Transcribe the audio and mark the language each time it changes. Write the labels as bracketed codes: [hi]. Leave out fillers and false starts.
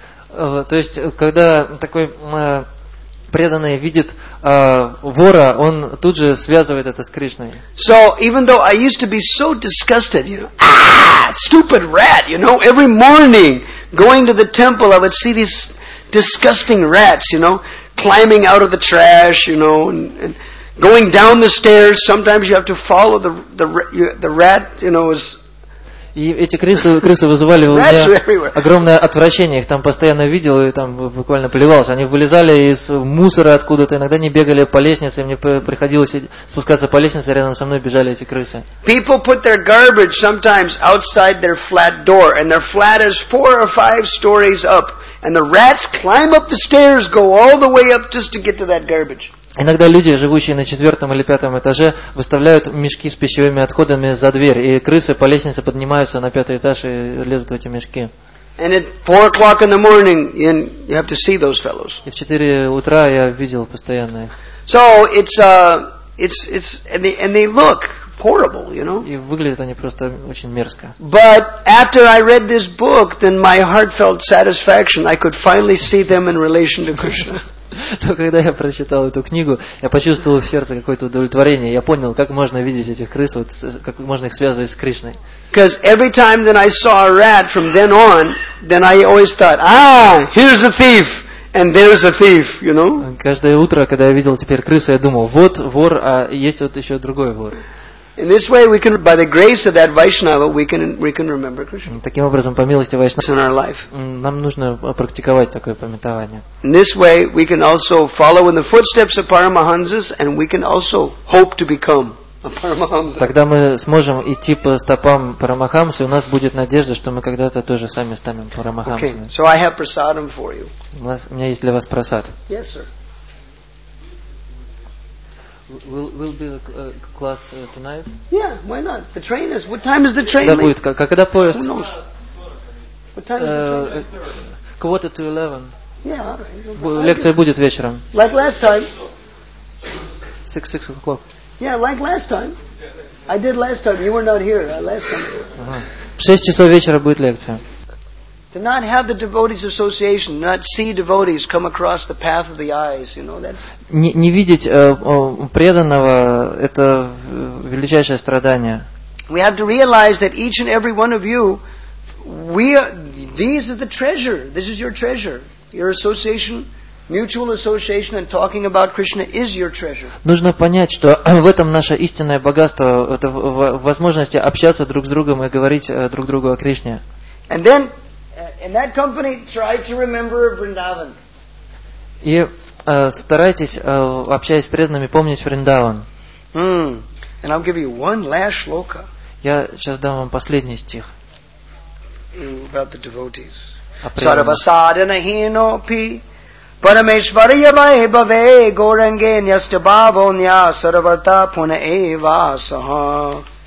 [ru] То есть, когда такой преданный видит вора, он тут же связывает это с Кришной. [en] So, even though I used to be so disgusted, you know, stupid rat, you know, every morning, going to the temple, I would see these disgusting rats, you know, climbing out of the trash, you know, and going down the stairs. Sometimes you have to follow the rat, you know, is. [ru] И эти крысы вызывали у меня огромное отвращение. Их там постоянно видел и там буквально плевался. Они вылезали из мусора откуда-то. Иногда они бегали по лестнице, и мне приходилось спускаться по лестнице, рядом со мной бежали эти крысы. [en] People put their garbage sometimes outside their flat door, and their flat is 4 or 5 stories up. And the rats climb up the stairs, go all the way up just to get to that garbage. [ru] Иногда люди, живущие на 4-м или 5-м этаже, выставляют мешки с пищевыми отходами за дверь, и крысы по лестнице поднимаются на 5-й этаж и лезут в эти мешки. [en] And at 4 o'clock in the morning, you have to see those fellows. [ru] И в 4 утра я видел постоянно их. [en] So it's and they look horrible, you know. [ru] И выглядят они просто очень мерзко. [en] But after I read this book, then my heart felt satisfaction. I could finally see them in relation to Krishna. [ru] Но когда я прочитал эту книгу, я почувствовал в сердце какое-то удовлетворение. Я понял, как можно видеть этих крыс, вот, как можно их связывать с Кришной. [en] Because every time that I saw a rat from then on, then I always thought, here's a thief. And there's a thief, you know. [ru] Каждое утро, когда я видел теперь крысу, я думал, вот вор, а есть вот еще другой вор. [en] In this way, we can, by the grace of that Vaishnava, we can remember Krishna. [ru] Таким образом, по милости Вайшнава, [en] in our life. [ru] Нам нужно практиковать такое памятование. [en] In this way, we can also follow in the footsteps of Paramahansas, and we can also hope to become a Paramahamsa. [ru] Тогда мы сможем идти по стопам Парамахамсы, и у нас будет надежда, что мы когда-то тоже сами станем Парамахамсами. [en] Okay, so I have prasadam for you. [ru] У меня есть для вас прасад. [en] Yes, sir. Will be the class tonight? Yeah, why not? The train is. What time is the train? [ru] Да будет. Когда поезд? [en] Who knows? What time is the train? Quarter to 11. Yeah. [ru] Лекция будет вечером. [en] Like last time. Six o'clock. Yeah, like last time. I did last time. You were not here last time. [ru] В 6 часов вечера будет лекция. [en] To not have the devotees' association, not see devotees come across the path of the eyes, you know, that's. [ru] Не видеть преданного – это величайшее страдание. [en] We have to realize that each and every one of you, we are, These are the treasure. This is your treasure. Your association, mutual association, and talking about Krishna is your treasure. [ru] Нужно понять, что в этом наше истинное богатство, это возможность общаться друг с другом и говорить друг другу о Кришне. [en] And then, in that company, try to remember Vrindavan. [ru] И старайтесь, общаясь с преданными, помнить Вриндаван. [en] And I'll give you one last shloka. [ru] Я сейчас дам вам последний стих. [en] About the devotees. [sa] Sarvasadana hino pi Parameshvariya vai bhave gorange nyasta bhavo nya sarvata puna eva saha.